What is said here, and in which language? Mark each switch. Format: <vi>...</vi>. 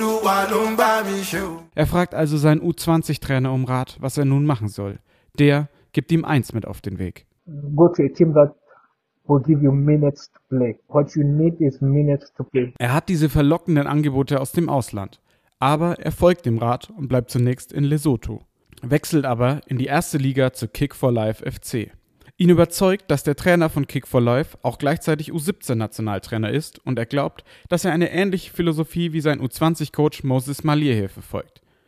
<de>Er fragt also seinen U20-Trainer um Rat, was er nun machen soll. Der gibt ihm eins mit auf den Weg.</de> <en>Go to a team that will give you minutes to play. What you need is minutes to play.</en> <de>Er hat diese verlockenden Angebote aus dem Ausland, aber er folgt dem Rat und bleibt zunächst in Lesotho. Wechselt aber in die erste Liga zu Kick4Life FC. Ihn überzeugt, dass der Trainer von Kick4Life auch gleichzeitig U17-Nationaltrainer ist und er glaubt, dass er eine ähnliche Philosophie wie sein U20-Coach Moses Malierhe verfolgt.</de>